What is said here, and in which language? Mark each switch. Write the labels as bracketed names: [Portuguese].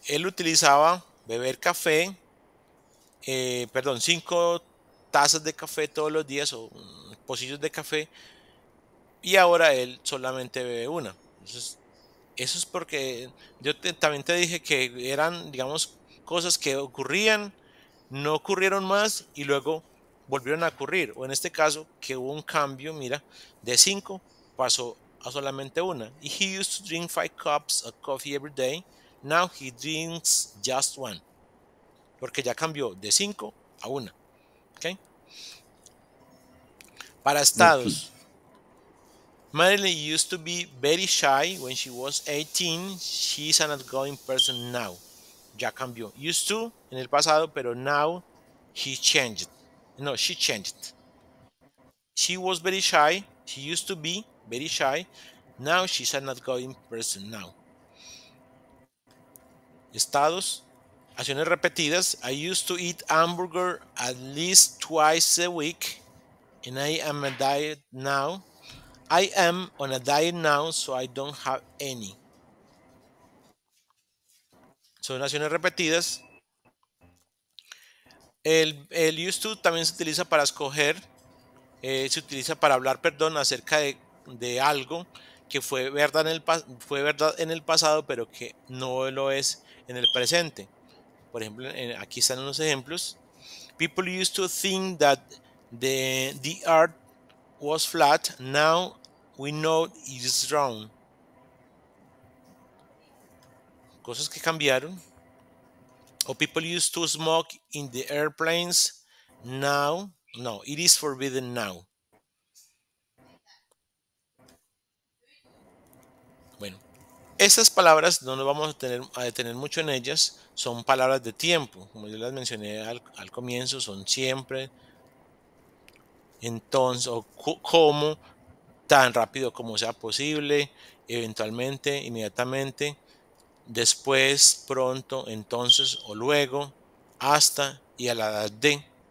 [Spanish] Él utilizaba beber café, perdón, 5 tazas de café todos los días o pocillos de café, y ahora él solamente bebe una. Entonces, eso es porque yo también te dije que eran, digamos, cosas que ocurrían, no ocurrieron más y luego volvieron a ocurrir. O en este caso, que hubo un cambio, mira, de 5 pasó a solamente una. [English] Y he used to drink 5 cups of coffee every day. Now he drinks just one. [Spanish] Porque ya cambió de 5 a 1. ¿Okay? Para estados. [English] Marilyn used to be very shy when she was 18. She's an outgoing person now. [Spanish] Ya cambió. [English] Used to [Spanish] en el pasado, pero [English] now he changed. No, she changed. She was very shy. She used to be very shy. Now she's an outgoing person now. [Spanish] Estados. Acciones repetidas. [English] I used to eat hamburger at least twice a week. And I am on a diet now. I am on a diet now, so I don't have any. [Spanish] Son acciones repetidas. El used to también se utiliza para escoger. Se utiliza para hablar, perdón, acerca de algo que fue verdad en el pasado, pero que no lo es en el presente. Por ejemplo, aquí están unos ejemplos. [English] People used to think that the earth was flat. Now we know it's round. [Spanish] Cosas que cambiaron. [English] Or people used to smoke in the airplanes. Now, no, it is forbidden now. [Spanish] Estas palabras no nos vamos a detener mucho en ellas, son palabras de tiempo, como yo las mencioné al comienzo, son siempre, entonces, o cómo, tan rápido como sea posible, eventualmente, inmediatamente, después, pronto, entonces, o luego, hasta y a la edad de.